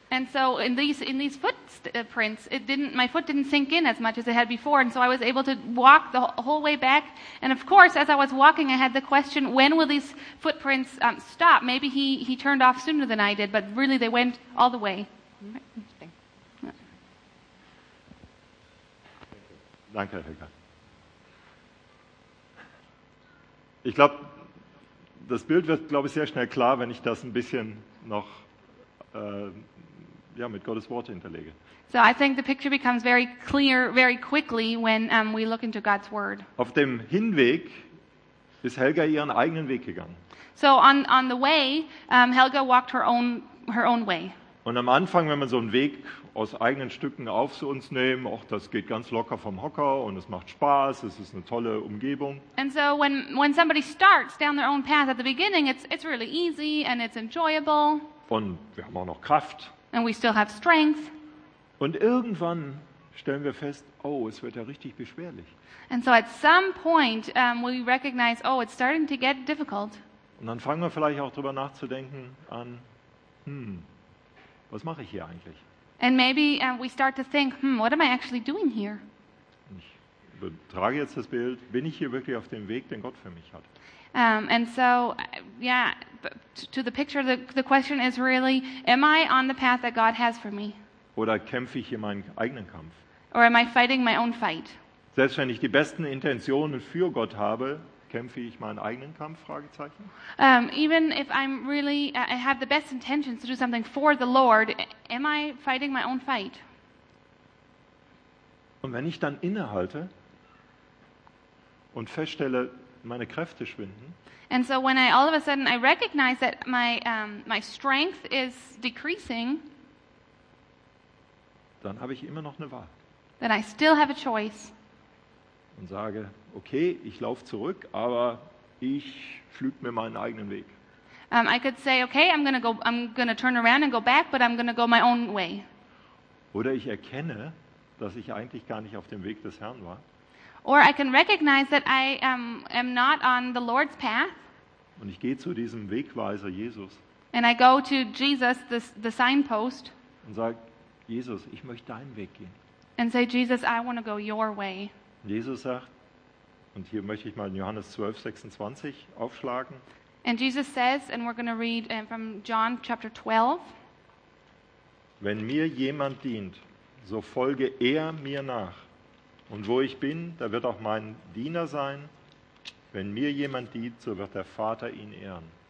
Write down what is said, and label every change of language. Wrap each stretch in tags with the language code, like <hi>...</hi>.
<en>And so in these footprints, my foot didn't sink in as much as it had before, and so I was able to walk the whole way back. And of course, as I was walking, I had the question, when will these footprints stop? Maybe he turned off sooner than I did, but really they went all the way.</en> <de>Danke, Helga. Ich glaube, das Bild wird, glaube ich, sehr schnell klar, wenn ich das ein bisschen noch mit Gottes Wort hinterlege.</de> <en>So I think the picture becomes very clear very quickly when we look into God's word.</en> <de>Auf dem Hinweg ist Helga ihren eigenen Weg gegangen.</de> <en>So on the way, Helga walked her own way.</en> <de>Und am Anfang, wenn man so einen Weg aus eigenen Stücken auf zu uns nehmen, auch das geht ganz locker vom Hocker und es macht Spaß, es ist eine tolle Umgebung.</de> <en>And so when somebody starts down their own path at the beginning, it's really easy and it's enjoyable.</en> <de>Und wir haben auch noch Kraft.</de> <en>And we still have strength.</en> <de>Und irgendwann stellen wir fest, oh, es wird ja richtig beschwerlich.</de> <en>And so at some point we recognize, oh, it's starting to get difficult.</en> <de>Und dann fangen wir vielleicht auch drüber nachzudenken an, was mache ich hier eigentlich?</de> <en>And maybe we start to think, what am I actually doing here?</en> <de>Ich trage jetzt das Bild, bin ich hier wirklich auf dem Weg, den Gott für mich hat?</de> <en>And so, yeah, to the picture, the question is really, am I on the path that God has for me?</en> <de>Oder kämpfe ich hier meinen eigenen Kampf?</de> <en>Or am I fighting my own fight?</en> <de>Selbst wenn ich die besten Intentionen für Gott habe, kämpfe ich meinen eigenen Kampf? Fragezeichen.</de> <en>Even if I'm really, I have the best intentions to do something for the Lord, am I fighting my own fight?</en> <de>Und wenn ich dann innehalte und feststelle, meine Kräfte schwinden.</de> <en>And so when I all of a sudden I recognize that my my strength is decreasing,</en> <de>dann habe ich immer noch eine Wahl.</de> <en>Then I still have a choice.</en> <de>Und sage, okay, ich laufe zurück, aber ich pflüge mir meinen eigenen Weg.</de> <en>I could say, okay, I'm gonna turn around and go back, but I'm gonna go my own way.</en> <de>Oder ich erkenne, dass ich eigentlich gar nicht auf dem Weg des Herrn war.</de> <en>Or I can recognize that I am not on the Lord's path.</en> <de>Und ich gehe zu diesem Wegweiser Jesus.</de> <en>And I go to Jesus, the signpost.</en> <de>Und sage, Jesus, ich möchte deinen Weg gehen.</de> <en>And say, Jesus, I want to go your way.</en> <de>Jesus sagt, und hier möchte ich mal in Johannes 12, 26 aufschlagen.</de> <en>And Jesus says, and we're going to read from John chapter 12.</en> <de>Wenn mir jemand dient, so folge er mir nach. Und wo ich bin, da wird auch mein Diener sein. Wenn mir jemand dient, so wird der Vater ihn ehren.</de>